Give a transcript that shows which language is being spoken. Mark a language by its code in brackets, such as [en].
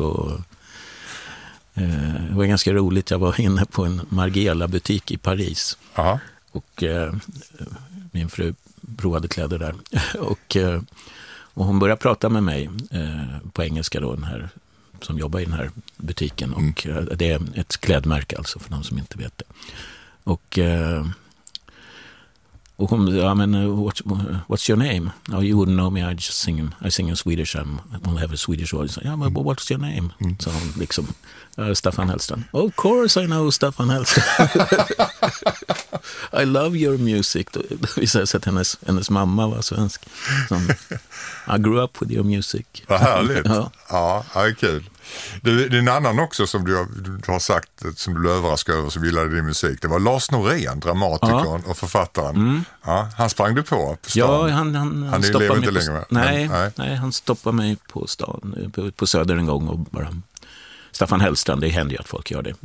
[sv] Och, det var ganska roligt, jag var inne på en Margiela-butik i Paris. Aha. Och min fru provade kläder där. Och hon började prata med mig på engelska då, den här som jobbar i den här butiken. Mm. Och det är ett klädmärke alltså för de som inte vet det. Och hon sa, [en] what's your name? Oh, you wouldn't know me, I sing in Swedish, I only have a Swedish audience. Yeah, but what's your name? Mm. [sv] Så hon liksom, [en] Staffan Hellström. Of course I know Staffan Hellström. I love your music. [sv] Vi sa att hennes mamma var svensk. [en] Så, I grew up with your music. [sv] Vad härligt. Ja, det är kul. Det är en annan också som du har sagt, som du överraskade över, som gillade din musik. Det var Lars Norén, dramatikern, ja, och författaren. Mm. Ja, han sprang du på stan. Ja, han lever inte längre med. Nej, han stoppade mig på stan, på Söder en gång. Och bara, Staffan Hellström, det händer ju att folk gör det.